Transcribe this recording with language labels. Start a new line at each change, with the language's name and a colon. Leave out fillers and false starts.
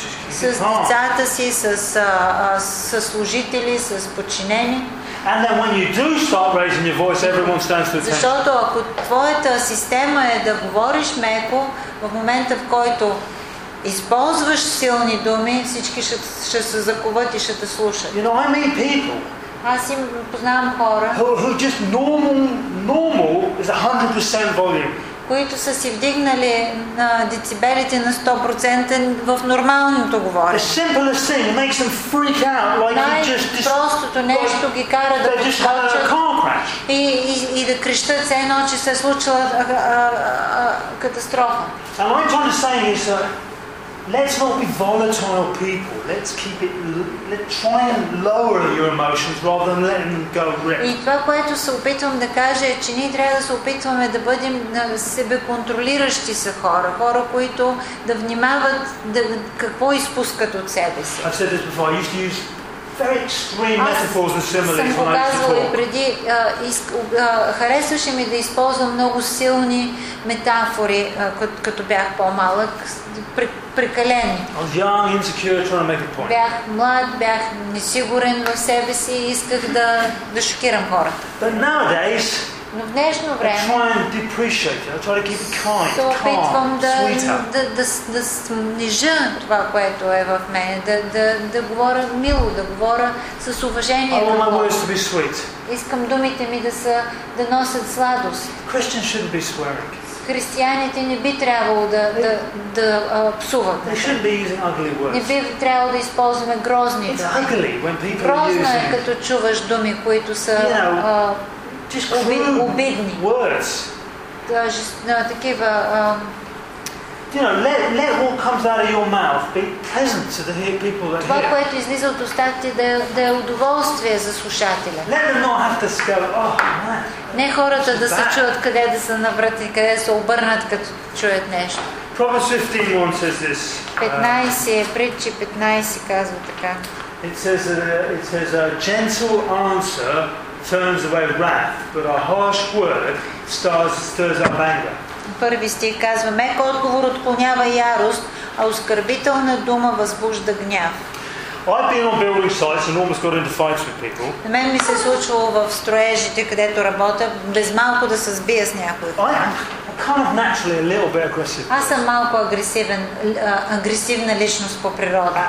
Bulgarian: С децата си, с служители, с подчинени.
English: And then when you do start raising your voice, everyone stands to attention.
Bulgarian: Защото ако твоята система е да говориш меко, в момента в който използваш силни думи, всички ще се заковат и ще те слушат.
English: You know, I mean people.
Bulgarian: Аз им познавам хора,
English: who just normal is 100% volume.
Bulgarian: Които са си вдигнали на децибелите на 100% в нормалното говорене.
English: The simplest thing makes them freak out,
Bulgarian: Най-простото нещо ги кара да подскочат и да крещат, все едно, че се е случила катастрофа.
English: And what I'm trying to say is that let's not be volatile people. Let's keep it. Let's try and lower your emotions rather than letting them go rip.
Bulgarian: И това, което се опитвам да кажа, е, че ние трябва да се опитваме да бъдем себеконтролиращи се хора, които да внимават какво изпускат от себе си.
English: I've said this before. I used to use very extreme metaphors and similes when I talk.
Bulgarian: Съм казвал преди, харесваше ми да използвам много силни метафори, като бях по-малък, прекалени.
English: Young, insecure, trying to make a point.
Bulgarian: Бях млад, бях несигурен в себе си и исках да шокирам хората.
English: But nowadays,
Bulgarian: но в днешно време, се опитвам да снижа това, което е в мен, да говоря мило, да говоря с уважение. Искам думите ми да носят сладост.
English: Christians shouldn't be swearing.
Bulgarian: Християните не би трябвало да псуват. Не би трябвало да използваме грозни думи. Грозно е, като чуваш думи, които са обидни. Даже на такива.
English: Let what comes out of your mouth be pleasant to the people that hear.
Bulgarian: Това, което излиза от устата, да е удоволствие за слушателя.
English: Let them not have to go, oh man.
Bulgarian: Не хората да се чуят къде да са наврат и къде да се обърнат, като чуят нещо.
English: Proverbs 15:1 says this.
Bulgarian: 15, притчи 15 казва така.
English: It says a gentle answer turns away wrath, but a harsh word stirs up anger.
Bulgarian: Първи стих казва: мек отговор отклонява ярост, а оскърбителна дума възбужда гняв.
English: I've been on building sites and almost got into fights with people.
Bulgarian: На мен ми се случвало в строежите, където работя, без малко да се сбия с някой.
English: I'm kind of naturally a little bit aggressive.
Bulgarian: Аз съм малко агресивна личност по природа.